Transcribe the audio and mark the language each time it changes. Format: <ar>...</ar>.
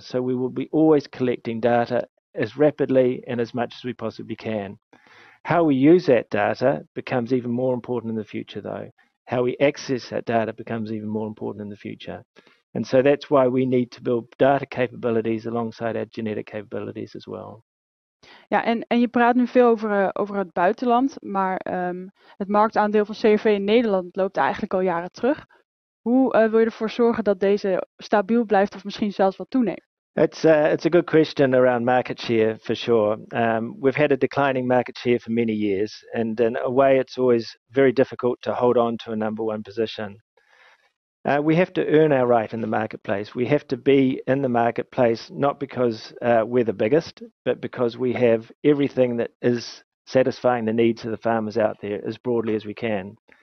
<en>So we will be always collecting data as rapidly and as much as we possibly can. How we use that data becomes even more important in the future, though. How we access that data becomes even more important in the future. And so that's why we need to build data capabilities alongside our genetic capabilities as well.</en> <nl>Ja, en je praat nu veel over het buitenland, maar het marktaandeel van CRV in Nederland loopt eigenlijk al jaren terug. Hoe wil je ervoor zorgen dat deze stabiel blijft of misschien zelfs wat toeneemt?</nl> <en>It's a good question around market share for sure. We've had a declining market share for many years, and in a way it's always very difficult to hold on to a number one position. We have to earn our right in the marketplace. We have to be in the marketplace, not because we're the biggest, but because we have everything that is satisfying the needs of the farmers out there as broadly as we can.</en>